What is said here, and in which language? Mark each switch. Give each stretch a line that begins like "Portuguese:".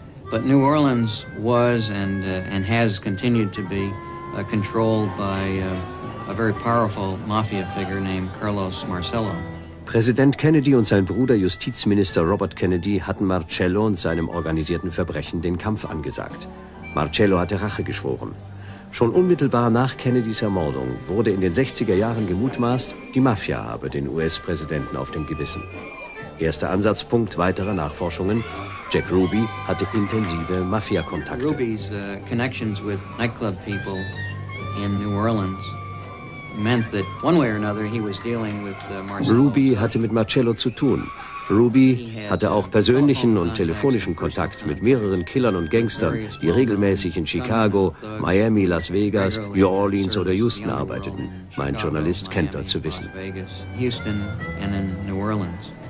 English: But New Orleans was and has continued to be controlled by a very powerful mafia figure named Carlos Marcello.
German: Präsident Kennedy und sein Bruder Justizminister Robert Kennedy hatten Marcello und seinem organisierten Verbrechen den Kampf angesagt. Marcello hatte Rache geschworen. Schon unmittelbar nach Kennedys Ermordung wurde in den 60er Jahren gemutmaßt, die Mafia habe den US-Präsidenten auf dem Gewissen. Erster Ansatzpunkt weiterer Nachforschungen: Jack Ruby hatte intensive Mafia-Kontakte.
English: Ruby's connections with nightclub people in New Orleans meant that one way or another he was dealing with Marcello.
German: Ruby hatte mit Marcello zu tun. Ruby hatte auch persönlichen und telefonischen Kontakt mit mehreren Killern und Gangstern, die regelmäßig in Chicago, Miami, Las Vegas, New Orleans oder Houston arbeiteten. Mein Journalist kennt das zu wissen.
English: Houston and in New Orleans.